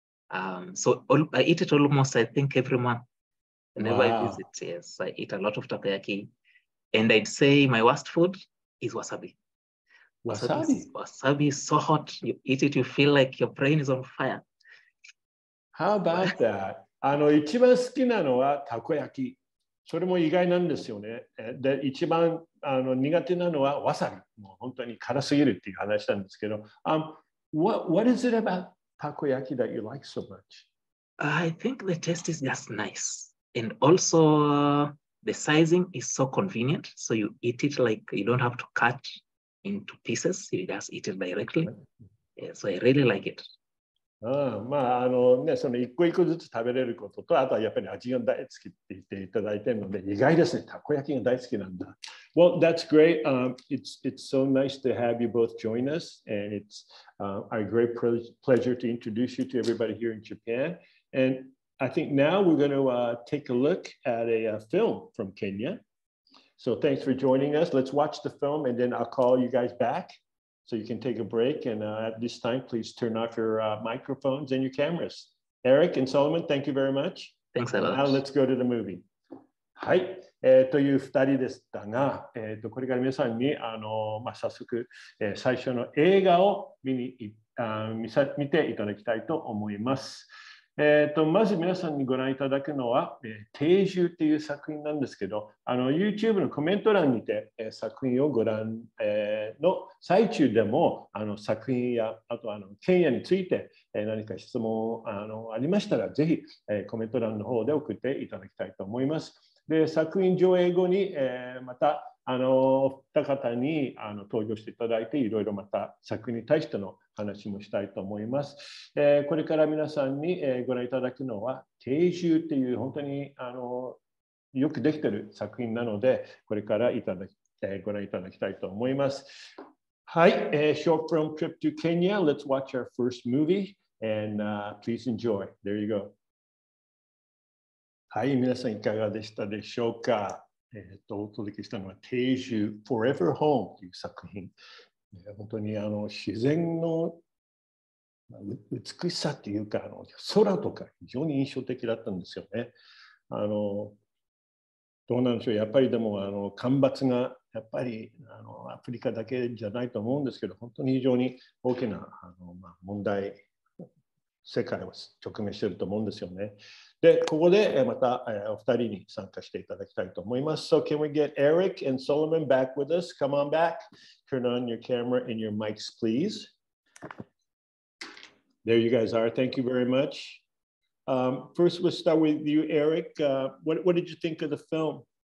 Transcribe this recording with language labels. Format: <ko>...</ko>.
<en>I eat it almost, I think, every month. Whenever I visit, yes, I eat a lot of takoyaki. And I'd say my worst food is wasabi. Wasabi is so hot. You eat it, you feel like your brain is on fire. How about that?</en> <ja>一番好きなのはたこ焼き。それも意外なんですよね。で、一番苦手なのはわさび。もう本当に辛すぎるっていう話なんですけど。</ja> <en>What is it about たこ焼きthat you like so much? I think the taste is just nice. And also, the sizing is so convenient. So you eat it like you don't have to cut into pieces. You just eat it directly. Yeah, so I really like it.</en> <ja>その一個一個ずつ食べれることと、あとはやっぱり味が大好きって言っていただいてるので、意外ですね、たこ焼きが大好きなんだ。</ja> <en>Well, that's great. It's so nice to have you both join us. And it's our great pleasure to introduce you to everybody here in Japan. And,I think now we're going to take a look at a film from Kenya. So thanks for joining us. Let's watch the film and then I'll call you guys back so you can take a break. And at this time, please turn off your microphones and your cameras. Eric and Solomon, thank you very much. Thanks a lot. Now let's go to the movie. はい。</en> <ja>という二人でしたが、これから皆さんに早速、最初の映画を見ていただきたいと思います。まず皆さんにご覧いただくのは、定住っていう作品なんですけど、YouTube のコメント欄にて、作品をご覧、の最中でも作品やあとケニアについて、何か質問ありましたらぜひ、コメント欄の方で送っていただきたいと思います。で作品上映後に、またお二方に登場していただいて、いろいろまた作品に対しての話もしたいと思います。これから皆さんにご覧いただくのは、定住っていう本当によくできている作品なので、これからご覧いただきたいと思います。</ja> <en>はい、Short Film Trip to Kenya. Let's watch our first movie and please enjoy. There you go.</en> <ja>はい、皆さんいかがでしたでしょうか。お届けしたのは定住 Forever Home という作品。本当に自然の美しさっていうか空とか非常に印象的だったんですよね。どうなんでしょう、やっぱりでも干ばつがやっぱりアフリカだけじゃないと思うんですけど、本当に非常に大きな問題、世界は直面していると思うんですよね。で、ここでまたお二人に参加していただきたいと思います。</ja> <en>So can we get Eric and Solomon back with us? Come on back. Turn on your camera and your mics, please. There you guys are. Thank you very much. First, we'll start with you, Eric. What did you think of the film?</en>